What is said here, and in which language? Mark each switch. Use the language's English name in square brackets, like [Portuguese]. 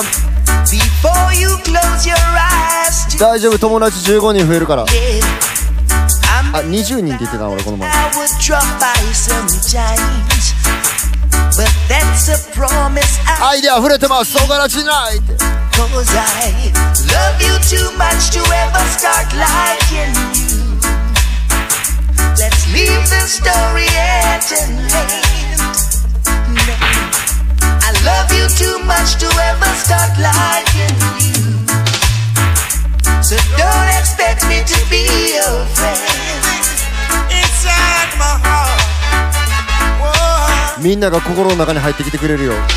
[English] Before you close your eyes to... [Japanese] 大丈夫、友達15人増えるから、yeah. あ、20人って言ってた俺この前。 [English] I would drop by sometimes. But that's a promise. [Japanese] 愛で溢れてます、オガラジナイト。 [English] Cause I love you too much to ever start liking you. Let's leave the story at an end. I love you too much to ever start liking you. So don't expect me to be your friend. Inside my heart. [Japanese] みんなが心の中に入ってきてくれるよ。